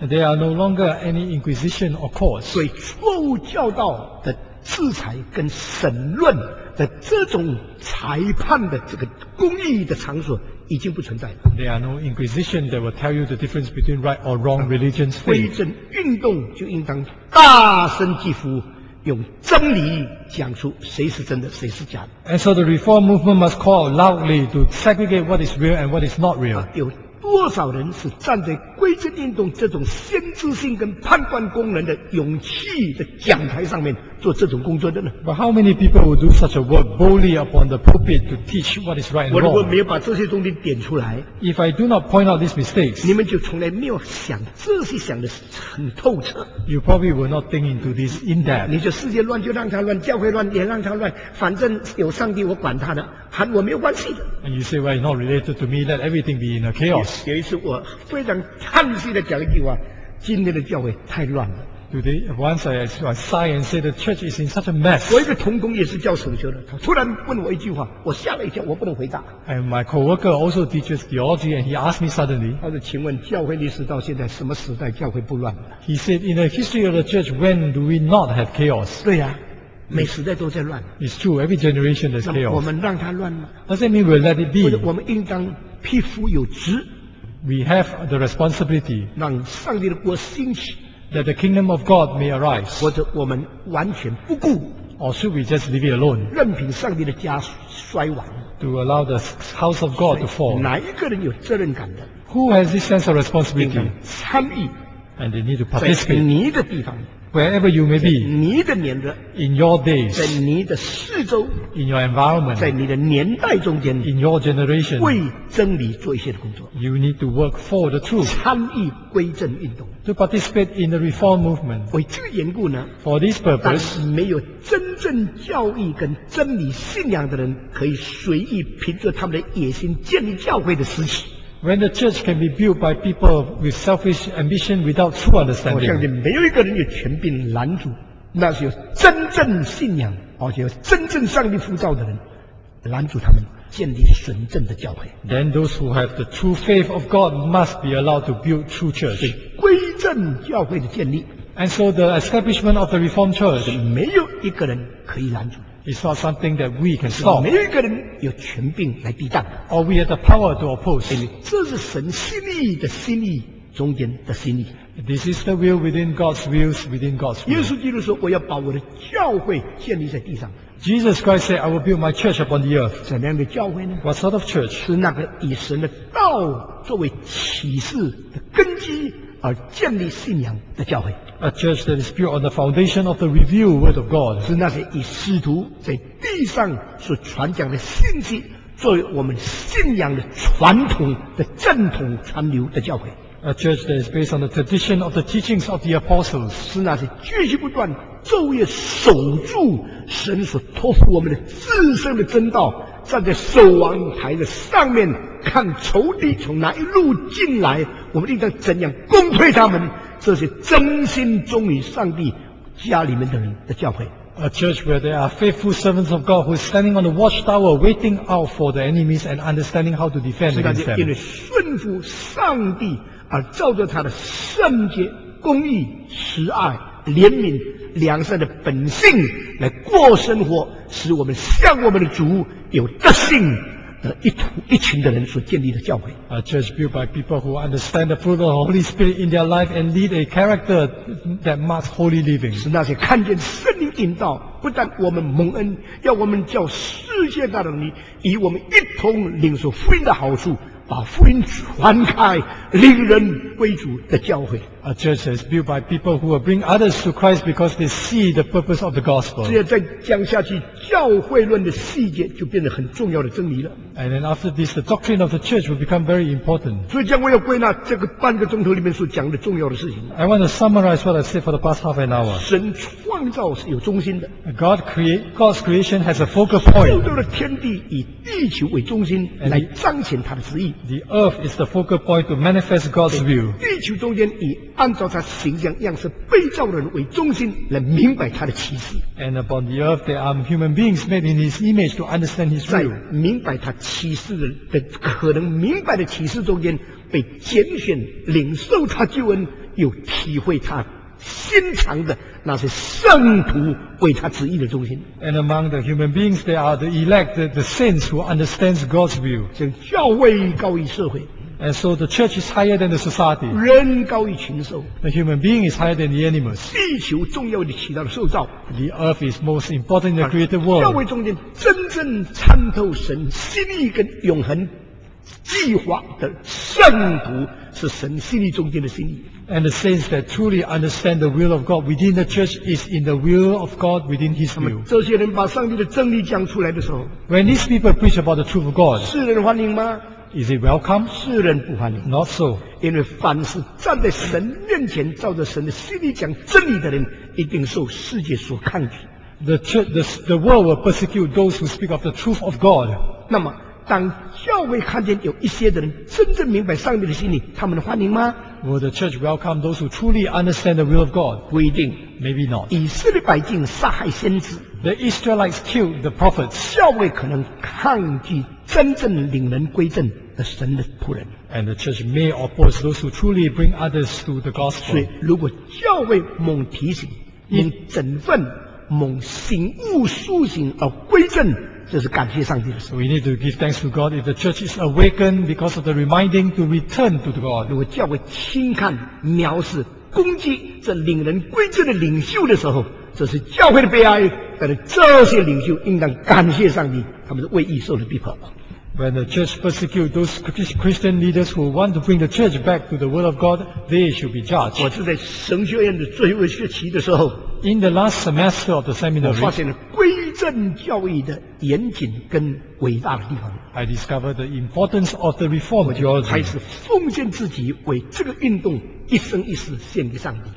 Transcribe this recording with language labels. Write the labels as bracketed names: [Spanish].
[English] There are no longer any inquisition or courts. [Chinese] 所以错误教导的制裁跟审论的这种裁判的这个公义的场所已经不存在了。 [English] There are no inquisition that will tell you the difference between right or wrong religions. [Chinese] 非正运动就应当大声疾呼，用真理讲出谁是真的，谁是假的。 [English] And so the reform movement must call loudly to segregate what is real and what is not real. [Chinese] 多少人是站在归正运动这种先知性跟判断功能的勇气的讲台上面做这种工作的呢？ [English] But how many people would do such a work boldly upon the pulpit to teach what is right and wrong? [Chinese] 我如果没有把这些东西点出来， [English] If I do not point out these mistakes, [Chinese] 你们就从来没有想这些想的很透彻。 [English] You probably will not think into this in depth. [Chinese] 你就世界乱就让它乱，教会乱也让它乱，反正有上帝我管他的，喊我没有关系的。 [English] And you say, well, not related to me, let everything be in a chaos. [Chinese] 有一次我非常叹息的讲一句话，今天的教会太乱了。 [English] Do they once I sigh and say the church is in such a mess? [Chinese] 我一个同工也是教神学的，他突然问我一句话，我吓了一跳，我不能回答。 [English] And my coworker also teaches theology, and he asked me suddenly. [Chinese] 他说：“请问教会历史到现在什么时代教会不乱了？” [English] He said, "In the history of the church, when do we not have chaos?" [Chinese] 对呀、啊。每时代都在乱。 [English] It's true, every generation is chaos. [Chinese] 我们让它乱吗？ [English] Does that mean we'll let it be? [Chinese] 我们应当匹夫有职。 [English] We have the responsibility. [Chinese] 让上帝的国兴起。 [English] That the kingdom of God may arise. [Chinese] 或者我们完全不顾。 [English] Or should we just leave it alone? [Chinese] 任凭上帝的家衰亡。 [English] To allow the house of God to fall. [Chinese] 哪一个人有责任感的？ [English] Who has this sense of responsibility? [Chinese] 参与。 [English] And they need to participate. [Chinese] 在你的地方。 [English] Wherever you may be, [Chinese] 在你的年的 [English] in your days, [Chinese] 在你的四周 [English] in your environment, [Chinese] 在你的年代中间 [English] in your generation, [Chinese] 为真理做一些的工作 [English] you need to work for the truth, [Chinese] 参与归正运动 [English] to participate in the reform movement, [Chinese] 为这个缘故呢 [English] for this purpose, [Chinese] 但没有真正教义跟真理信仰的人可以随意凭着他们的野心建立教会的时期 [English] When the church can be built by people with selfish ambition without true understanding, [Chinese] 我相信没有一个人有权柄拦阻那是有真正信仰而且有真正上帝呼召的人拦阻他们建立纯正的教会。 [English] Then those who have the true faith of God must be allowed to build true church. [Chinese] 是归正教会的建立。 [English] And so the establishment of the Reformed Church [Chinese] 是没有一个人可以拦阻。 [English] It's not something that we can stop. [Chinese] 每一个人有权柄来抵挡。 [English] Or we have the power to oppose. [Chinese] 这是神心意的心意中间的心意。 [English] This is the will within God's wills within God's will. [Chinese] 耶稣基督说：“我要把我的教会建立在地上。” [English] Jesus Christ said, "I will build my church upon the earth." [Chinese] 怎样的教会呢？ [English] What sort of church? [Chinese] 是那个以神的道作为启示的根基。而建立信仰的教会 [English] A church that is built on the foundation of the revealed word of God [Chinese] 是那些以使徒在地上所传讲的信息作为我们信仰的传统的正统传流的教会 [English] A church that is based on the tradition of the teachings of the apostles [Chinese] 是那些继续不断昼夜守住神所托付我们的至圣的真道站在守望台的上面看仇敌从哪一路进来我们应当怎样攻退他们这些真心忠于上帝家里面的人的教会 [English] A church where there are faithful servants of God who are standing on the watchtower waiting out for the enemies and understanding how to defend against them [Chinese] 因为顺服上帝而照着他的圣洁公义慈爱怜悯良善的本性来过生活使我们向我们的主有德性的一土一群的人所建立的教会 [English] A church built by people who understand the fruit of the Holy Spirit in their life and lead a character that marks holy living [Chinese] 是那些看见圣灵引导不但我们蒙恩要我们叫世界大人与我们一同领受福音的好处把福音传开令人归主的教会 [English] A church is built by people who will bring others to Christ because they see the purpose of the gospel [Chinese] 只要再讲下去教会论的细节就变得很重要的真理了 [English] And then after this the doctrine of the church will become very important [Chinese] 所以将我要归纳这个半个钟头里面所讲的重要的事情 [English] I want to summarize what I said for the past half an hour [Chinese] 神创造是有中心的 [English] God's creation has a focal point [Chinese] 受到了天地以地球为中心来彰显他的旨意 [English] The earth is the focal point to manifest God's view [Chinese] 地球中间以按照他形象样式被造人为中心来明白他的启示 [English] And upon the earth there are human beings made in his image to understand his view [Chinese] 在明白他启示的可能明白的启示中间被拣选领受他救恩有体会他心肠的那些圣徒为他旨意的中心 [English] And among the human beings there are the elect the saints who understands God's view [Chinese] 将教会高于社会 [English] And so the church is higher than the society. [Chinese] 人高于禽兽。 [English] The human being is higher than the animals. [Chinese] 地球重要的起到了受造。 [English] The earth is most important in the created world. [Chinese] 教会中间真正参透神心意跟永恒计划的圣徒是神心意中间的心意。 [English] And the saints that truly understand the will of God within the church is in the will of God within His will. [Chinese] 这些人把上帝的真理讲出来的时候 [English] ，When these people preach about the truth of God, [Chinese] 世人欢迎吗？ [English] Is it welcome? [Chinese] 世人不欢迎。 [English] Not so. [Chinese] 因为凡是站在神面前照着神的心里讲真理的人一定受世界所抗拒。 [English] The world will persecute those who speak of the truth of God. [Chinese] 那么当教会看见有一些的人真正明白上帝的心意，他们欢迎吗？ [English] Will the church welcome those who truly understand the will of God? [Chinese] 不一定。 [English] Maybe not. [Chinese] 以色列百姓杀害先知， [English] The Israelites killed the prophets. [Chinese] 教会可能抗拒真正领人归正的神的仆人。 [English] And the church may oppose those who truly bring others to the gospel. [Chinese] 所以如果教会猛提醒猛整顿猛醒悟苏醒而归正，这是感谢上帝的事。 [English] We need to give thanks to God if the church is awakened because of the reminding to return to the God. [Chinese] 如果教会轻看藐视攻击这领人归正的领袖的时候，这是教会的悲哀，但是这些领袖应当感谢上帝，他们是为义受的逼迫。 [English] When the church persecutes those Christian leaders who want to bring the church back to the word of God, they should be judged. [Chinese] 我是在神学院的最后学期的时候， [English] In the last semester of the seminary, [Chinese] 我发现了归正教义的严谨跟伟大的地方。 [English] I discovered the importance of the reform theology. [Chinese] 开始奉献自己为这个运动一生一世献给上帝。